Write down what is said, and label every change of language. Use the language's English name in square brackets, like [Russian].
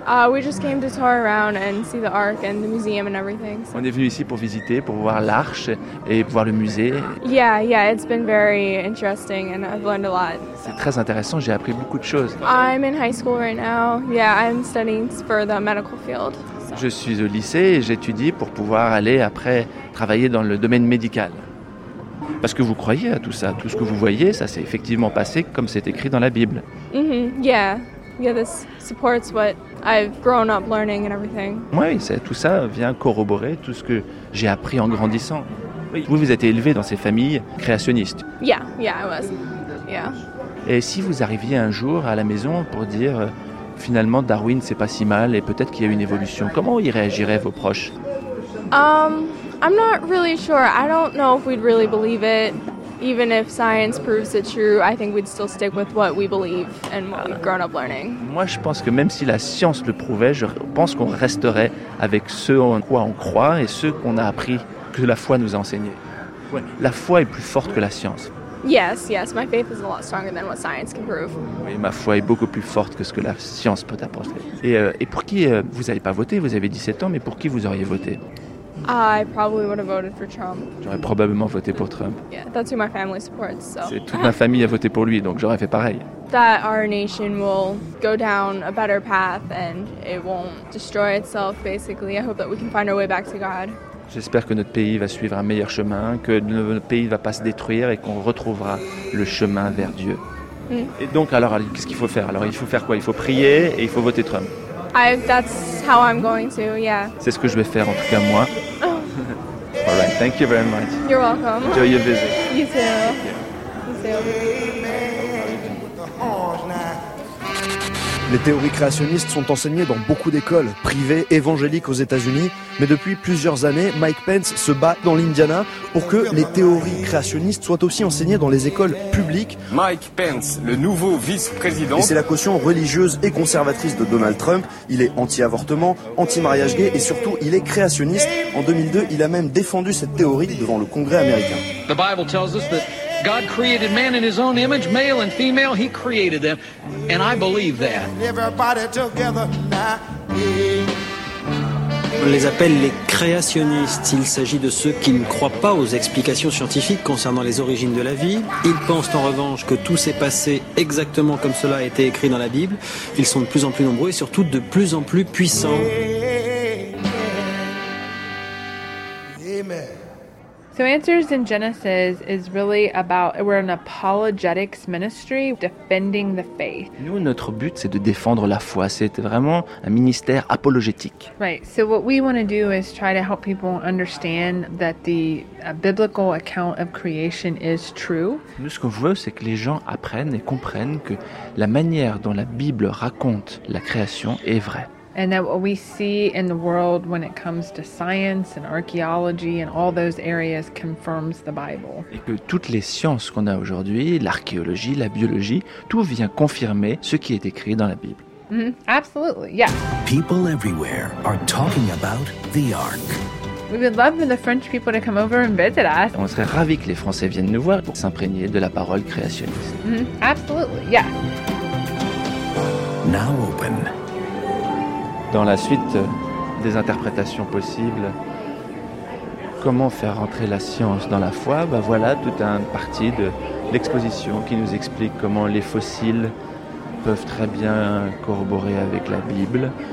[English] We just came to tour around and see the Ark and the museum and everything. So. [French] On est venu ici pour visiter, pour voir l'arche et voir le musée. [English] Yeah, it's been very interesting and I've learned a lot. [French] C'est très intéressant, j'ai appris beaucoup de choses. [English] I'm in high school right now. Yeah, I'm studying for the medical field. So. [French] Je suis au lycée et j'étudie pour pouvoir aller après travailler dans le domaine médical. Parce que vous croyez à tout ça, tout ce que vous voyez, ça s'est effectivement passé comme c'est écrit dans la Bible. Mm-hmm. [English] Yeah, this supports what I've grown up learning and everything. [French] Oui, tout ça vient corroborer tout ce que j'ai appris en grandissant. Vous êtes élevé dans ces familles créationnistes. [English] Yeah, I was. Yeah. [French] Et si vous arriviez un jour à la maison pour dire finalement Darwin c'est pas si mal et peut-être qu'il y a une évolution, comment y réagiraient vos proches? [English] I'm not really sure. I don't know if we'd really believe it. Even if science proves it true, I think we'd still stick with what we believe and what we've grown up learning. [French] Moi, je pense que même si la science le prouvait, je pense qu'on resterait avec ce en quoi on croit et ce qu'on a appris, que la foi nous a enseigné. Ouais. La foi est plus forte que la science. [English] Yes, my faith is a lot stronger than what science can prove. [French] Oui, ma foi est beaucoup plus forte que ce que la science peut apporter. Et pour qui vous n'avez pas voté? Vous avez 17 ans, mais pour qui vous auriez voté? [English] I probably would have voted for Trump. [French] J'aurais probablement voté pour Trump. [English] Yeah, that's who my family supports. So. [French] C'est toute ma famille a voté pour lui, donc j'aurais fait pareil. [English] That our nation will go down a better path and it won't destroy itself. Basically, I hope that we can find our way back to God. [French] J'espère que notre pays va suivre un meilleur chemin, que notre pays ne va pas se détruire et qu'on retrouvera le chemin vers Dieu. Mm. Et donc, alors, qu'est-ce qu'il faut faire? Alors, il faut faire quoi? Il faut prier et il faut voter Trump. [English] That's how I'm going to, yeah. C'est ce que je vais faire, en tout cas, moi. Oh. All right, thank you very much. You're welcome. Enjoy your visit. You too. [French] Les théories créationnistes sont enseignées dans beaucoup d'écoles, privées, évangéliques aux États-Unis, mais depuis plusieurs années, Mike Pence se bat dans l'Indiana pour que les théories créationnistes soient aussi enseignées dans les écoles publiques. Mike Pence, le nouveau vice-président. Et c'est la caution religieuse et conservatrice de Donald Trump. Il est anti-avortement, anti-mariage gay et surtout, il est créationniste. En 2002, il a même défendu cette théorie devant le Congrès américain. [English] The Bible tells us that God created man in his own image, male and female, he created them, and I believe that. Everybody together now. [French] On les appelle les créationnistes. Il s'agit de ceux qui ne croient pas aux explications scientifiques concernant les origines de la vie. Ils pensent en revanche que tout s'est passé exactement comme cela a été écrit dans la Bible. Ils sont de plus en plus nombreux et surtout de plus en plus puissants. Amen. [English] So Answers in Genesis is really about, we're an apologetics ministry, defending the faith. [French] Nous, notre but, c'est de défendre la foi. C'est vraiment un ministère apologétique. [English] Right, so what we want to do is try to help people understand that the biblical account of creation is true. [French] Nous, ce qu'on veut, c'est que les gens apprennent et comprennent que la manière dont la Bible raconte la création est vraie. [English] And that what we see in the world when it comes to science and archaeology and all those areas confirms the Bible. [French] Et que toutes les sciences qu'on a aujourd'hui, l'archéologie, la biologie, tout vient confirmer ce qui est écrit dans la Bible. [English] Mm-hmm. Absolutely, yeah. People everywhere are talking about the Ark. We would love for the French people to come over and visit us. [French] On serait ravis que les Français viennent nous voir pour s'imprégner de la parole créationniste. [English] Mm-hmm. Absolutely, yeah. Now open. [French] Dans la suite toutes les interprétations possibles. Comment faire rentrer la science dans la foi? Ben voilà toute une partie de l'exposition qui nous explique comment les fossiles peuvent très bien corroborer avec la Bible.